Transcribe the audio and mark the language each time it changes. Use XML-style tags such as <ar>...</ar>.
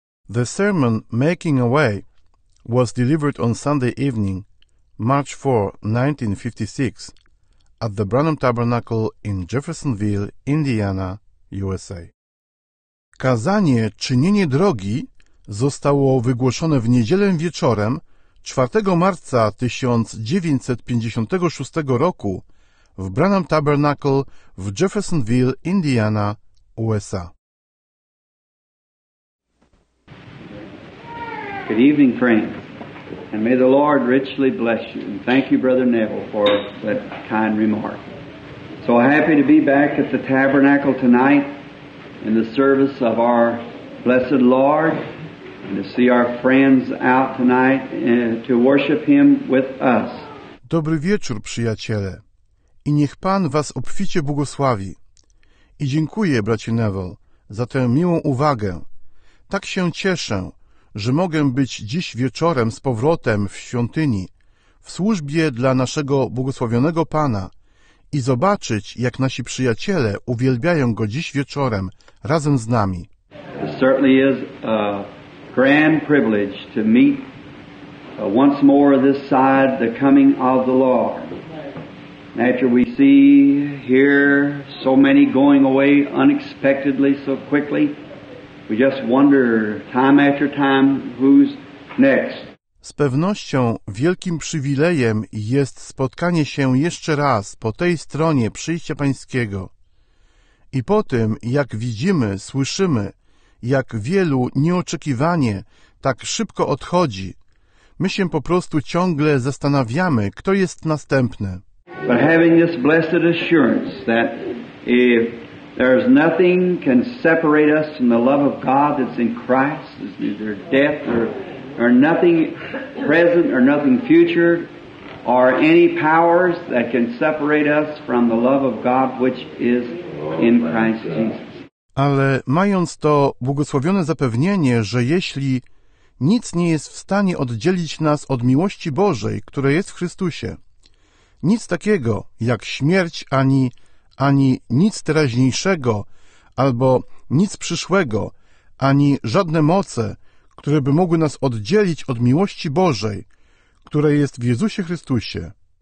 <en>The sermon, Making a Way, was delivered on Sunday evening, March 4, 1956, at the Branham Tabernacle in Jeffersonville, Indiana, USA.</en> <pl>Kazanie Czynienie Drogi zostało wygłoszone w niedzielę wieczorem 4 marca 1956 roku w Branham Tabernacle w Jeffersonville, Indiana, USA.</pl> <en>Good evening, friends, and may the Lord richly bless you. And thank you, Brother Neville, for that kind remark. So happy to be back at the tabernacle tonight in the service of our blessed Lord, and to see our friends out tonight to worship Him with us.</en> <pl>Dobry wieczór, przyjaciele, i niech Pan was obficie błogosławi. I dziękuję, bracie Neville, za tę miłą uwagę. Tak się cieszę, że mogę być dziś wieczorem z powrotem w świątyni, w służbie dla naszego błogosławionego Pana i zobaczyć, jak nasi przyjaciele uwielbiają Go dziś wieczorem razem z nami.</pl> <en>It certainly is a grand privilege to meet once more this side the coming of the Lord. After we see here so many going away unexpectedly so quickly, we just wonder time after time who's next.</en> <pl>Z pewnością wielkim przywilejem jest spotkanie się jeszcze raz po tej stronie przyjścia Pańskiego. I po tym, jak widzimy, słyszymy, jak wielu nieoczekiwanie tak szybko odchodzi, my się po prostu ciągle zastanawiamy, kto jest następny.</pl> <en>But having this blessed assurance that if there's nothing can separate us from the love of God that's in Christ, it's neither death or nothing present or nothing future or any powers that can separate us from the love of God which is in Christ Jesus.</en> <pl>Ale mając to błogosławione zapewnienie, że jeśli nic nie jest w stanie oddzielić nas od miłości Bożej, która jest w Chrystusie, nic takiego jak śmierć ani nic teraźniejszego, albo nic przyszłego, ani żadne moce, które by mogły nas oddzielić od miłości Bożej, która jest w Jezusie Chrystusie.</pl>